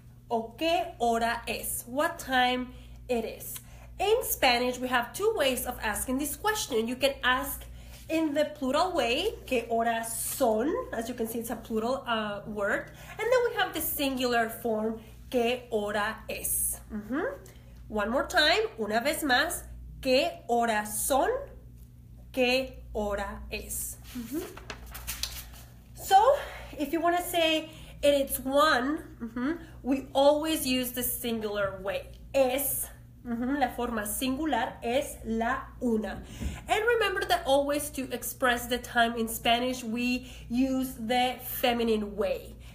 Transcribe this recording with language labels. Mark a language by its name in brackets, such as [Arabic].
[Spanish] ¿O qué hora es? [English] What time it is? In Spanish, we have two ways of asking this question. You can ask in the plural way, [Spanish] ¿qué horas son? [English] As you can see, it's a plural word. And then we have the singular form, [Spanish] ¿qué hora es? [English] Mm-hmm. One more time, [Spanish] una vez más, ¿qué horas son? ¿Qué hora es? Mm-hmm. [English] So, if you want to say it's one, mm-hmm, we always use the singular way, es. Mm-hmm. [Spanish] La forma singular es la una. [English] And remember that always to express the time in Spanish, we use the feminine way.